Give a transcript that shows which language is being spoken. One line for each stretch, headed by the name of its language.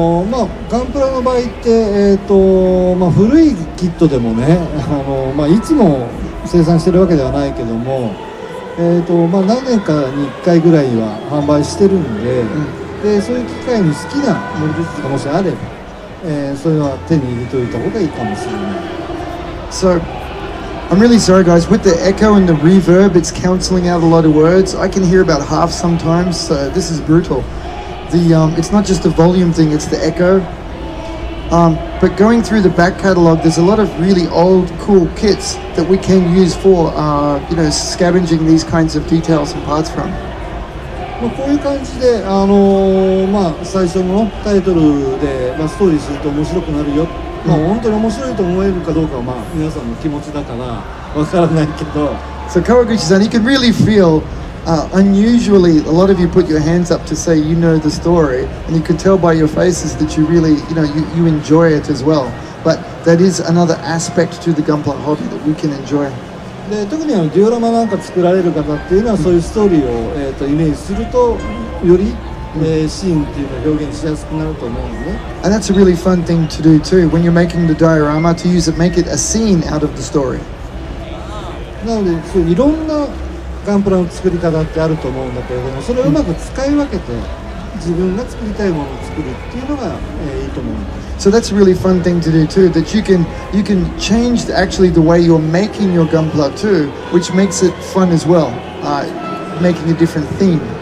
Japanese: まあガンプラの場合って、まあ、古いキットでもね、まあ、いつも生産してるわけではないけども、まあ、何年かに1回ぐらいは販売してるんで、うんでそういう機械に好きなモビルスーツがもしあれば、それは手に入れておいた方がいいかもしれない。
English: So, I'm really sorry guys, with the echo and the reverb, it's cancelling out a lot of words. I can hear about half sometimes, so this is brutal. It's not just the volume thing, it's the echo. But going through the back catalogue, there's a lot of really old, cool kits that we can use for, you know, scavenging these kinds of details and parts from.
Japanese: まあ、こういう感じで、まあ、最初のタイトルで、まあ、ストーリーすると面白くなるよ、まあ、本当に面白いと思えるかどうかは、まあ、皆さんの気持ちだからわからないけど。
English: So Kawaguchi-san, you can really feel, unusually, a lot of you put your hands up to say you know the story, and you could tell by your faces that you really, you know, you enjoy it as well. But that is another aspect to the Gunpla hobby that we can enjoy.
Japanese: で特にデュオラマなんか作られる方っていうのはそういうストーリーを、イメージするとより、シーンっていうのを表現しやすくなると思うんでね。
English: And that's a really fun thing to do too when you're making the diorama to use it, make it a scene out of the story.
Japanese: なのでそういろんなガンプラの作り方ってあると思うんだけれども、それをうまく使い分けて自分が作りたいものを作るっていうのが、いいと思います。
English: So that's a really fun thing to do too, that you can change the, actually the way you're making your Gunpla too, which makes it fun as well, making a different theme.